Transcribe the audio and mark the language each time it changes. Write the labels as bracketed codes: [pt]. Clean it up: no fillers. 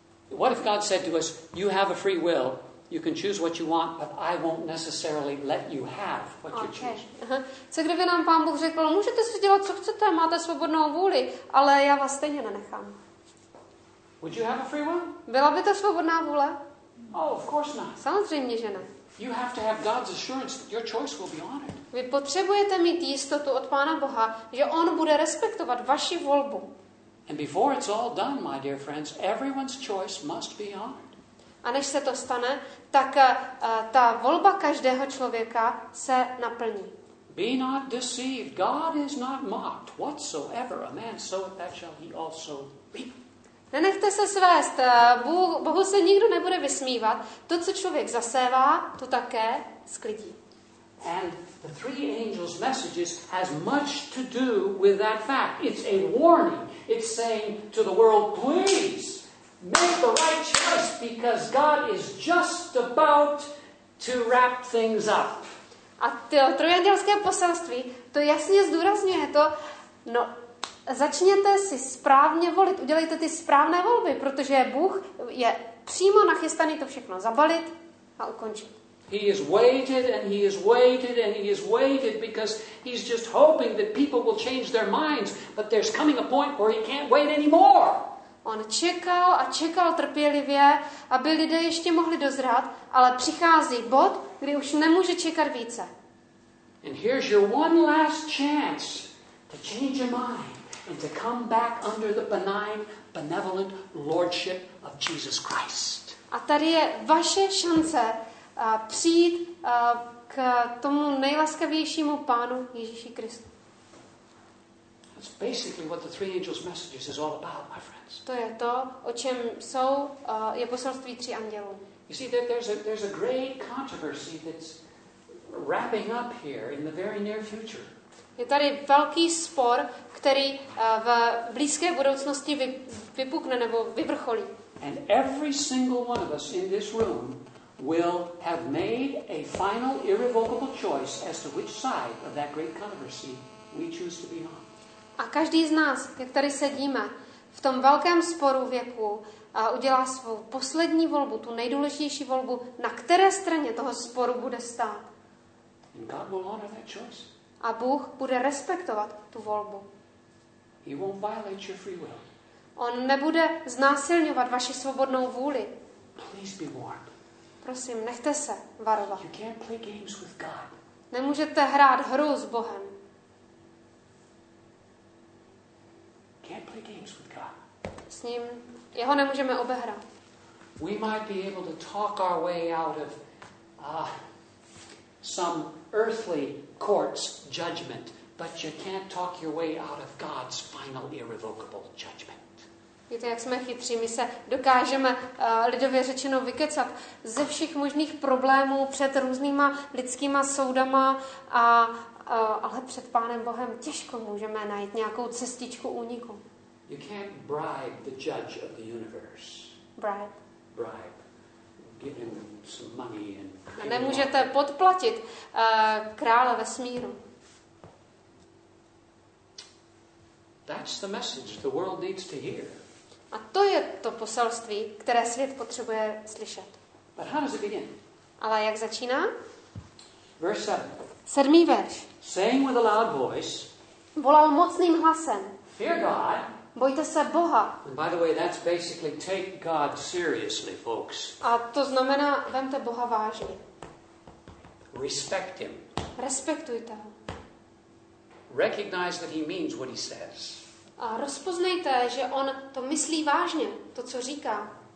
[en] What if God said to us, you have a free will, you can choose what you want, but I won't necessarily let you have what you choose. [cs] Co kdyby nám Pán Bůh řekl, můžete si dělat, co chcete, máte svobodnou vůli, ale já vás stejně nenechám. [en] Would you have a free will? [cs] Byla by to svobodná vůle? [en] Oh, of course not. [cs] Samozřejmě, že ne. [en] You have to have God's assurance that your choice will be honored. [cs] Vy potřebujete mít jistotu od Pána Boha, že On bude respektovat vaši volbu. [en] And before it's all done, my dear friends, everyone's choice must be honored. [cs] A než se to stane, tak ta volba každého člověka se naplní. [en] Be not deceived. God is not mocked. Whatsoever a man soweth, that shall he also reap. [cs] Nenechte se svést. Bohu se nikdo nebude vysmívat. To, co člověk zasévá, to také sklidí. [en] And the three angels' messages has much to do with that fact. It's a warning. It's saying to the world, please make the right choice because God is just about to wrap things up. [cs] A to trojandělské poselství to jasně zdůrazňuje to, no, začněte si správně volit, udělejte ty správné volby, protože Bůh je přímo nachystaný to všechno zabalit a ukončit. [en] He has waited and he has waited and he has waited because he's just hoping that people will change their minds, but there's coming a point where he can't wait anymore. [cs] On čekal a čekal trpělivě, aby lidé ještě mohli dozrát, ale přichází bod, kdy už nemůže čekat více. [en] And here's your one last chance to change your mind and to come back under the benign, benevolent lordship of Jesus Christ. [cs] A tady je vaše šance přijít k tomu nejlaskavějšímu pánu Ježíši Kristu. [en] That's basically what the three angels' messages is all about, my friend. [cs] To je to, o čem jsou je poselství tří andělů. [en] You see that there's a great controversy that's wrapping up here in the very near future. [cs] Je tady velký spor, který v blízké budoucnosti vypukne nebo vyvrcholí. [en] And every single one of us in this room will have made a final irrevocable choice as to which side of that great controversy we choose to be on. [cs] A každý z nás, jak tady sedíme, v tom velkém sporu věku a udělá svou poslední volbu, tu nejdůležitější volbu, na které straně toho sporu bude stát. [en] And God will honor that choice. [cs] A Bůh bude respektovat tu volbu. [en] He won't violate your free will. [cs] On nebude znásilňovat vaši svobodnou vůli. [en] Please be warned. [cs] Prosím, nechte se varovat. [en] You can't play games with God. [cs] Nemůžete hrát hru s Bohem. [en] Can't play games with God. [cs] S ním jeho nemůžeme obehrát. [en] We might be able to talk our way out of some earthly court's judgment, but you can't talk your way out of God's final irrevocable judgment. [cs] Víte, jak jsme chytří, my se dokážeme lidově řečeno vykecat ze všech možných problémů před různýma lidskýma soudama a ale před Pánem Bohem těžko můžeme najít nějakou cestičku úniku. [en] You can't bribe the judge of the universe. Bribe. Bribe. Give him some money and... [cs] A nemůžete podplatit krále vesmíru. [en] That's the message the world needs to hear. [cs] A to je to poselství, které svět potřebuje slyšet. [en] But how does it begin? [cs] Ale jak začíná? [en] Verse 7. [cs] Sedmý verš. [en] Saying with a loud voice. [cs] Volal mocným hlasem. [en] Fear God. [cs] Bojte se Boha. [en] And by the way, that's basically take God seriously, folks. [cs] A to znamená, vemte Boha vážně. [en] Respect him. [cs] Respektujte ho. [en] Recognize that he means what he says. [cs] A rozpoznejte, že on to myslí vážně, to, co říká.